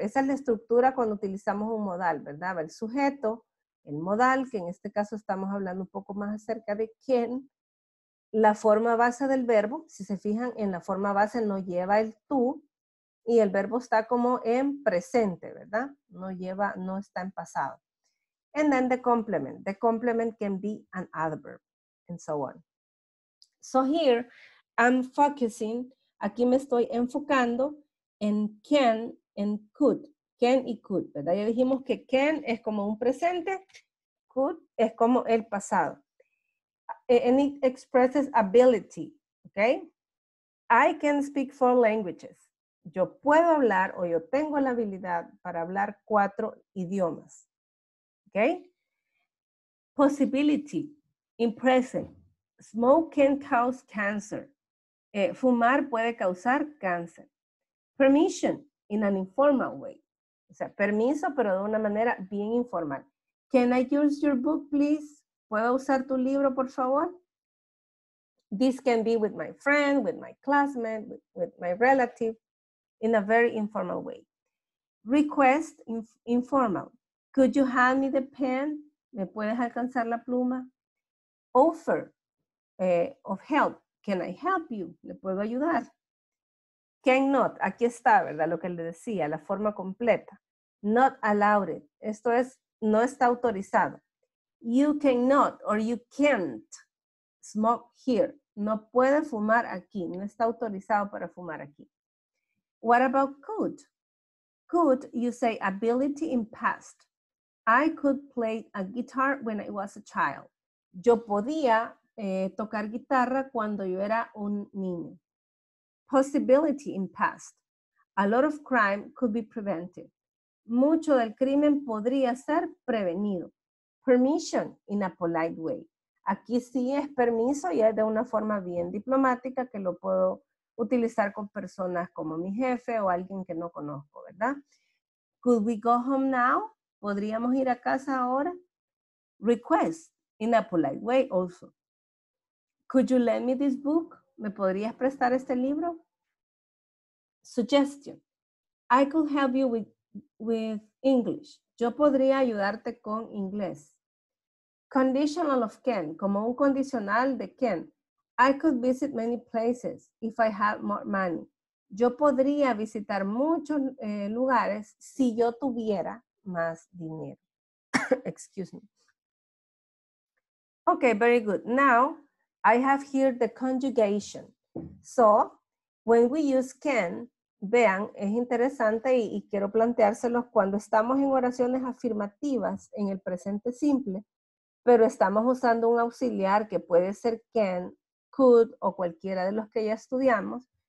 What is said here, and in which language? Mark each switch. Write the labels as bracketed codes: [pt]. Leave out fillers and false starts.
[es] Esa es la estructura cuando utilizamos un modal, ¿verdad? El sujeto, el modal, que en este caso estamos hablando un poco más acerca de quién. La forma base del verbo, si se fijan, en la forma base no lleva el tú y el verbo está como en presente, ¿verdad? No lleva, no está en pasado. [en] And then the complement. The complement can be an adverb and so on. So here, I'm focusing, [es] aquí me estoy enfocando en can and could. Can y could, ¿verdad? Ya dijimos que can es como un presente, could es como el pasado. [en] And it expresses ability, okay? I can speak 4 languages. [es] Yo puedo hablar o yo tengo la habilidad para hablar 4 idiomas, okay? [en] Possibility, in present. Smoke can cause cancer. [es] Fumar puede causar cáncer. [en] Permission, in an informal way. [es] O sea, permiso, pero de una manera bien informal. [en] Can I use your book, please? [es] ¿Puedo usar tu libro, por favor? [en] This can be with my friend, with my classmate, with my relative, in a very informal way. Request, informal. Could you hand me the pen? [es] ¿Me puedes alcanzar la pluma? [en] Offer of help. Can I help you? [es] ¿Le puedo ayudar? Cannot. Aquí está, ¿verdad? Lo que le decía, la forma completa. [en] Not allowed. [es] Esto es, no está autorizado. [en] You cannot or you can't smoke here. [es] No puede fumar aquí. No está autorizado para fumar aquí. [en] What about could? Could, you say ability in past. I could play a guitar when I was a child. [es] Yo podía tocar guitarra cuando yo era un niño. [en] Possibility in past. A lot of crime could be prevented. [es] Mucho del crimen podría ser prevenido. [en] Permission in a polite way. [es] Aquí sí es permiso y es de una forma bien diplomática que lo puedo utilizar con personas como mi jefe o alguien que no conozco, ¿verdad? [en] Could we go home now? [es] ¿Podríamos ir a casa ahora? [en] Request in a polite way also. Could you lend me this book? [es] ¿Me podrías prestar este libro? Suggestion. [en] I could help you with English. [es] Yo podría ayudarte con inglés. [en] Conditional of can, [es] como un condicional de can. [en] I could visit many places if I had more money. [es] Yo podría visitar muchos lugares si yo tuviera más dinero. [en] Excuse me. Okay, very good. Now, I have here the conjugation. So, when we use can, [es] vean, es interesante y quiero planteárselos cuando estamos en oraciones afirmativas en el presente simple, pero estamos usando un auxiliar que puede ser can, could o cualquiera de los que ya estudiamos.